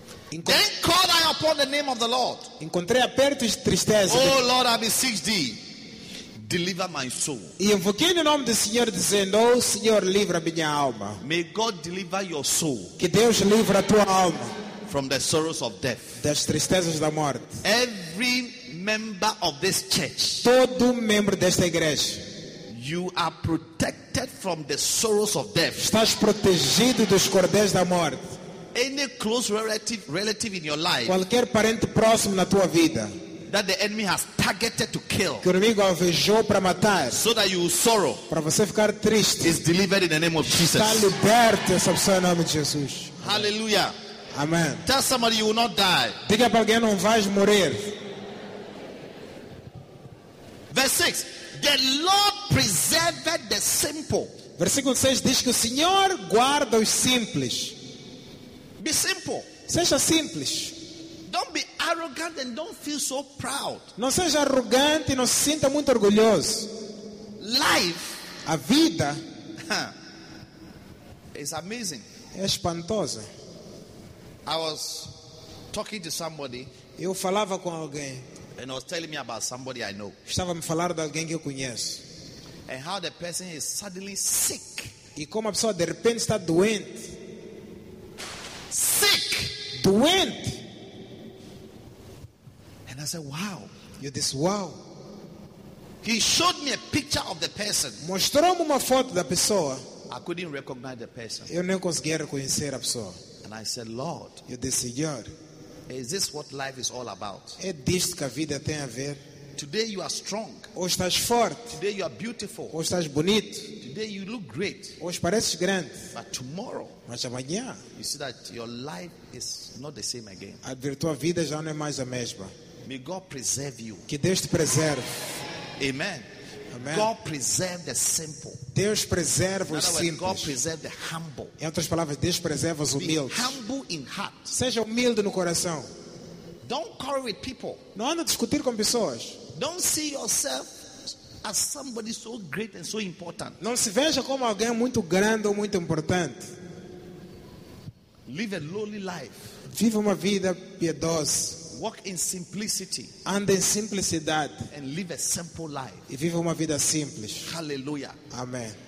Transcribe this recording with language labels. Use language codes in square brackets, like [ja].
[en] Then called I upon the name of the Lord. [pt] Encontrei apertos de tristeza. [en] Oh Lord, I beseech thee, deliver my soul. [pt] E invoquei no nome do Senhor dizendo: Oh Senhor, livra minha alma. [en] May God deliver your soul. [pt] Que Deus livre a tua alma. [en] From the sorrows of death. [pt] Das tristezas da morte. [en] Every member of this church. [pt] Todo membro desta igreja. [en] You are protected from the sorrows of death. [pt] Estás protegido dos cordéis da morte. [en] Any close relative in your life, [pt] qualquer parente próximo na tua vida, [en] that the enemy has targeted to kill, [pt] que o inimigo alvejou para matar, [en] so that you sorrow, [pt] para você ficar triste, [en] is delivered in the name of Jesus. [pt] Está liberto em nome de Jesus. Hallelujah. Amen. [en] Tell somebody you will not die. [pt] Diga para alguém, não vais morrer. [en] Verse 6. The Lord preserved the simple. [pt] Versículo 6 diz que o Senhor guarda os simples. [en] Be simple. [pt] Seja simples. [en] Don't be arrogant and don't feel so proud. [pt] Não seja arrogante e não se sinta muito orgulhoso. [en] Life, [pt] a vida, [en] is amazing. [pt] É espantosa. [en] I was talking to somebody. [pt] Eu falava com alguém. [en] And was telling me about somebody I know. [pt] Estava a me falar de alguém que eu conheço. [en] And how the person is suddenly sick. [pt] E como a pessoa de repente está doente. [en] Sick, [pt] doente. [en] And I said, "Wow, you're this wow." He showed me a picture of the person. [pt] Mostrou-me uma foto da pessoa. [en] I couldn't recognize the person. [pt] Eu não conseguia reconhecer a pessoa. [en] And I said, "Lord, you're this Senhor. Is this what life is all about? [pt] É disto que a vida tem a ver. [en] Today you are strong. [pt] Hoje estás forte. [en] Today you are beautiful. [pt] Hoje estás bonito. [en] Today you look great. [pt] Hoje pareces grande. [en] But tomorrow, [pt] mas amanhã, [en] you see that your life is not the same again. [pt] A tua vida já não é mais a mesma. [en] May God preserve you. [pt] Que Deus te preserve. Amen. Amen. [en] God preserve the simple. [pt] Deus preserve os simples. [en] God preserve the humble. [pt] Em outras palavras, Deus preserve os humildes. [en] Be humble in heart. [pt] Seja humilde no coração. [en] Don't quarrel with people. [pt] Não anda a discutir com pessoas. [en] Don't see yourself as somebody so great and so important. [pt] Não se veja como alguém muito grande ou muito importante. [en] Live a lowly life. [pt] Viva uma vida piedosa. [en] Walk in simplicity. [pt] Ande em simplicidade. [en] And live a simple life. [pt] E viva uma vida simples. Hallelujah. Amen.